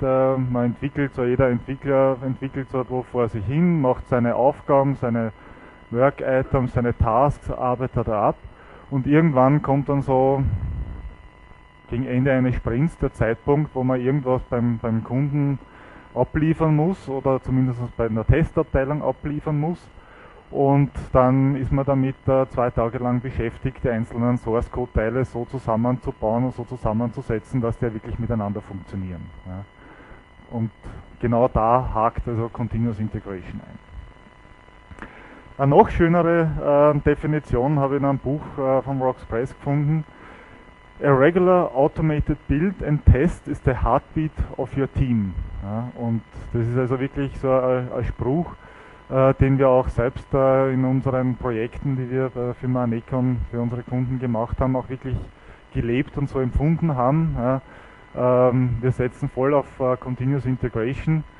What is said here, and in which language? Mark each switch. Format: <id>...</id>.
<de>Man entwickelt so, jeder Entwickler entwickelt so vor sich hin, macht seine Aufgaben, seine Work-Items, seine Tasks, arbeitet er ab und irgendwann kommt dann so gegen Ende eines Sprints der Zeitpunkt, wo man irgendwas beim Kunden abliefern muss oder zumindest bei einer Testabteilung abliefern muss und dann ist man damit 2 Tage lang beschäftigt, die einzelnen Source-Code-Teile so zusammenzubauen und so zusammenzusetzen, dass die wirklich miteinander funktionieren. Ja. Und genau da hakt also Continuous Integration ein. Eine noch schönere Definition habe ich in einem Buch von Rox Press gefunden.</de> <en>A regular automated build and test is the heartbeat of your team.</en> <de>Ja, und das ist also wirklich so ein Spruch, den wir auch selbst in unseren Projekten, die wir bei der Firma Anecon für unsere Kunden gemacht haben, auch wirklich gelebt und so empfunden haben. Ja, wir setzen voll auf Continuous Integration.</de>